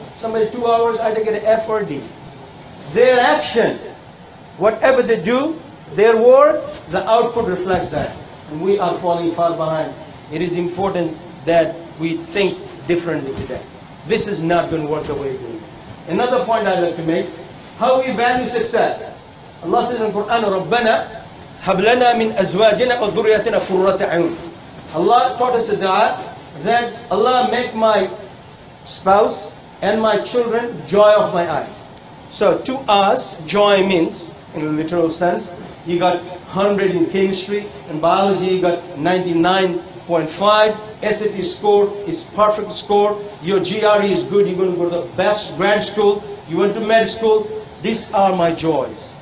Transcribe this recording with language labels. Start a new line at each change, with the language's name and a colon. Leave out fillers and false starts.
English: Somebody 2 hours, either get an F or a D. Their action, whatever they do, their work, the output reflects that. And we are falling far behind. It is important that we think differently today. This is not going to work the way it is. Another point I'd like to make, how we value success. Allah says in the Quran,
Arabic: رَبَّنَا هَبْ لَنَا مِنْ أَزْوَاجِنَا وَذُرِّيَّتِنَا قُرَّةَ عَيْنٍ.
English: Allah taught us a dua that Allah make my spouse and my children joy of my eyes. So to us, joy means, in a literal sense, you got 100 in chemistry, in biology you got 99.5, SAT score is perfect score, your GRE is good, you're going to go to the best grad school, you went to med school, these are my joys.